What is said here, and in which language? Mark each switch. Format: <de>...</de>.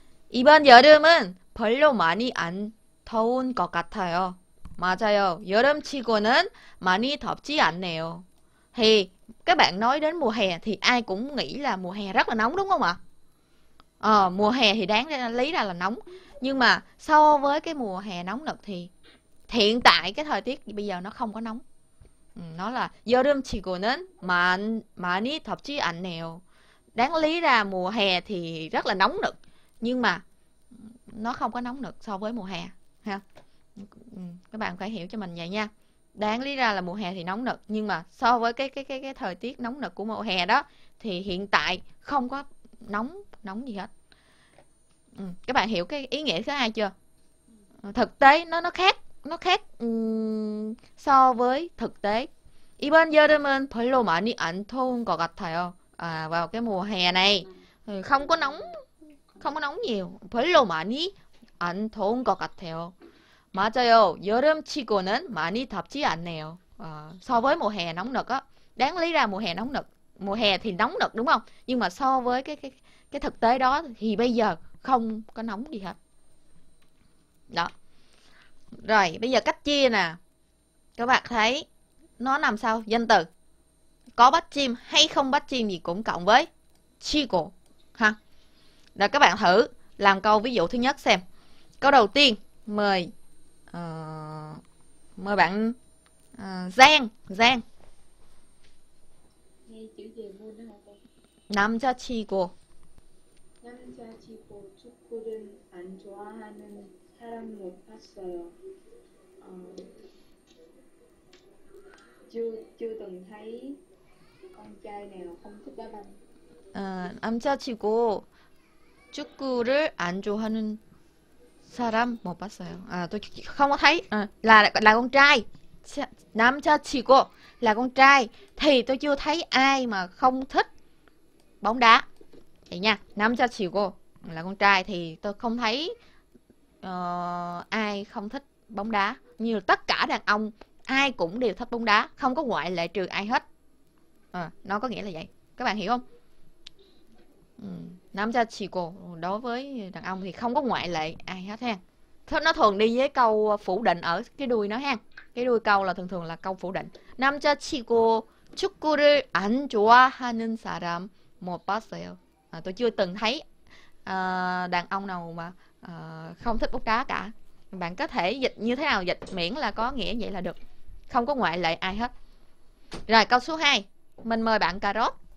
<ko>이번 여름은 별로 많이 안 더운 것 같아요. 맞아요. 여름치고는 많이 덥지 않네요.</ko> <vi>헤이, các bạn nói đến mùa hè thì ai cũng nghĩ là mùa hè rất là nóng đúng không ạ? Mùa hè thì đáng lý ra là nóng. Nhưng mà so với cái mùa hè nóng nực thì hiện tại cái thời tiết bây giờ nó không có nóng. Nó là</vi> <ko>여름치고는 많이 덥지 않네요.</ko> <vi>Đáng lý ra mùa hè thì rất là nóng nực. Nhưng mà nó không có nóng nực so với mùa hè ha. Các bạn phải hiểu cho mình vậy nha. Đáng lý ra là mùa hè thì nóng nực. Nhưng mà so với cái thời tiết nóng nực của mùa hè đó thì hiện tại không có nóng nóng gì hết. Các bạn hiểu cái ý nghĩa thứ hai chưa? Thực tế nó khác so với thực tế.</vi> <ko>이번 여름은 별로 많이 안 더운 것 같아요.</ko> <vi>Vào cái mùa hè này thì không có nóng nhiều.</vi> <ko>별로 많이 안 더운 것 같아요. 맞아요. 여름치고는 많이 덥지 않네요.</ko> <vi>So với mùa hè nóng nực á, đáng lý ra mùa hè nóng nực, mùa hè thì nóng nực đúng không? Nhưng mà so với cái thực tế đó thì bây giờ không có nóng gì hết. Đó. Rồi, bây giờ cách chia nè. Các bạn thấy nó nằm sau danh từ. Có bắt chim hay không bắt chim thì cũng cộng với chigo ha. Rồi các bạn thử làm câu ví dụ thứ nhất xem. Câu đầu tiên mời mời bạn Giang. Giang nghe chữ gì môn đó hả con? Nam cho chigo.</vi> <ko>남자치고 축구를 안 좋아하는 사람 못 봤어요.</ko> <vi>chưa từng thấy con trai nào không thích đá banh.</vi> <ko>남자치고 축구를 안 좋아하는 사람 못 봤어요.</ko> <vi>Tôi không có thấy là con trai. Nam cho chị cô là con trai thì tôi chưa thấy ai mà không thích bóng đá vậy nha. Nam cho chị cô là con trai thì tôi không thấy ai không thích bóng đá, như tất cả đàn ông ai cũng đều thích bóng đá, không có ngoại lệ trừ ai hết. Nó có nghĩa là vậy, các bạn hiểu không? Nam cho chị cô đối với đàn ông thì không có ngoại lệ ai hết ha. Thế nó thường đi với câu phủ định ở cái đuôi nó ha. Cái đuôi câu là thường thường là câu phủ định.</vi> <ko>남자친구 축구를 안 좋아하는 사람 못 봤어요.</ko> <vi>Tôi chưa từng thấy đàn ông nào mà không thích bóng đá cả. Bạn có thể dịch như thế nào, dịch miễn là có nghĩa vậy là được. Không có ngoại lệ ai hết. Rồi câu số 2, mình mời bạn cà rốt.</vi>